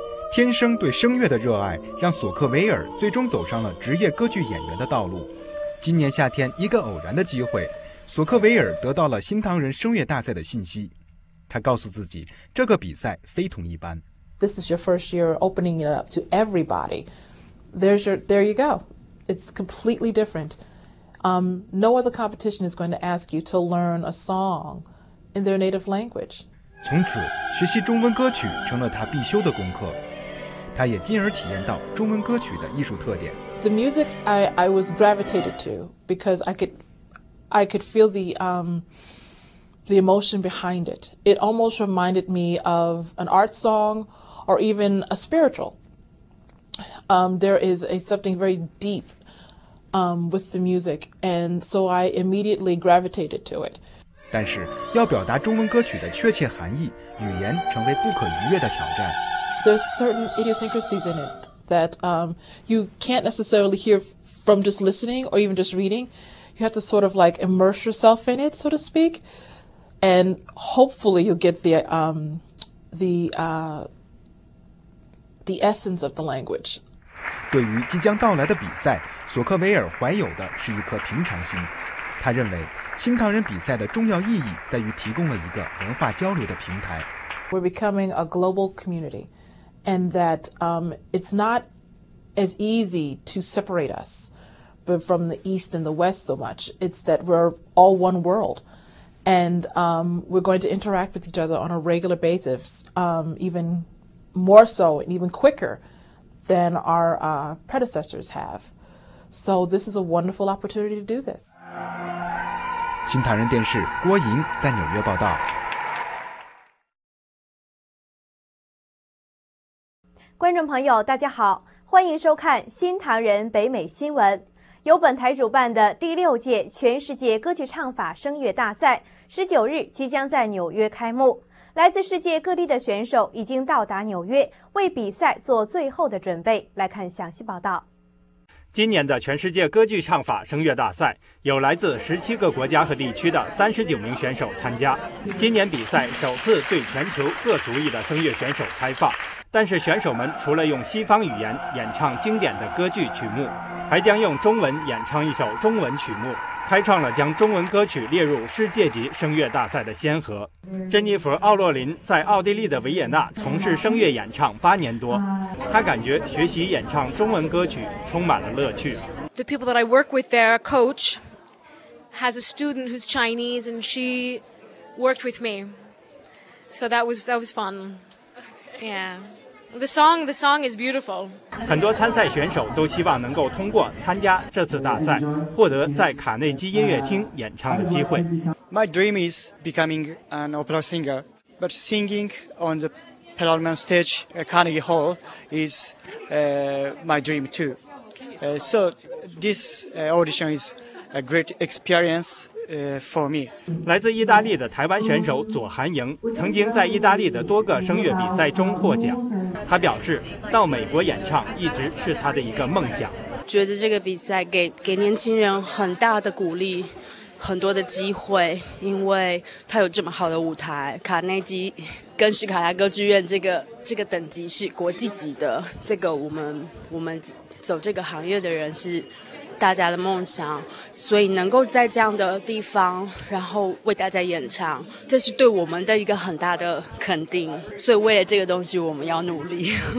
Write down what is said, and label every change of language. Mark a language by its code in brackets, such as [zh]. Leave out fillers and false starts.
[zh] 天生对声乐的热爱让索克维尔最终走上了职业歌剧演员的道路。今年夏天，一个偶然的机会，索克维尔得到了新唐人声乐大赛的信息。他告诉自己，这个比赛非同一般。 [en] This is your first year opening it up to everybody. There you go. It's completely different. No other competition is going to ask you to learn a song in their native language. [zh] 从此，学习中文歌曲成了他必修的功课。他也进而体验到中文歌曲的艺术特点。 [en] The music I was gravitated to because I could feel the emotion behind it. It almost reminded me of an art song or even a spiritual. There is something very deep with the music, and so I immediately gravitated to it. [zh] 但是要表达中文歌曲的确切含义，语言成为不可逾越的挑战。 [en] There's certain idiosyncrasies in it that you can't necessarily hear from just listening or even just reading. You have to sort of like immerse yourself in it, so to speak. And hopefully you'll get the essence of the language. [zh] 对于即将到来的比赛，索克维尔怀有的是一颗平常心。他认为新唐人比赛的重要意义在于提供了一个文化交流的平台。 [en] We're becoming a global community. And that it's not as easy to separate us but from the East and the West so much. It's that we're all one world. And we're going to interact with each other on a regular basis, even more so and even quicker than our predecessors have. So this is a wonderful opportunity to do this. [zh] 新唐人电视郭莹在纽约报道。观众朋友大家好，欢迎收看新唐人北美新闻。由本台主办的第六届全世界歌剧唱法声乐大赛19日即将在纽约开幕，来自世界各地的选手已经到达纽约为比赛做最后的准备。来看详细报道。今年的全世界歌剧唱法声乐大赛有来自17个国家和地区的39名选手参加，今年比赛首次对全球各族裔的声乐选手开放，但是选手们除了用西方语言演唱经典的歌剧曲目，还将用中文演唱一首中文曲目，开创了将中文歌曲列入世界级声乐大赛的先河。珍妮弗·奥洛林在奥地利的维也纳从事声乐演唱8年多，她感觉学习演唱中文歌曲充满了乐趣。 [en] The people that I work with, their coach has a student who's Chinese and she worked with me, so that was funYeah, the song is beautiful. [zh] 很多参赛选手都希望能够通过参加这次大赛，获得在卡内基音乐厅演唱的机会。 [en] My dream is becoming an opera singer, but singing on the Perelman stage at Carnegie Hall is my dream too. So this audition is a great experience for me. [zh] 来自意大利的台湾选手左涵莹曾经在意大利的多个声乐比赛中获奖。他表示，到美国演唱一直是他的一个梦想。觉得这个比赛给年轻人很大的鼓励，很多的机会，因为他有这么好的舞台，卡内基跟史卡拉歌剧院这个等级是国际级的，这个我们走这个行业的人是大家的梦想，所以能够在这样的地方然后为大家演唱，这是对我们的一个很大的肯定，所以为了这个东西我们要努力。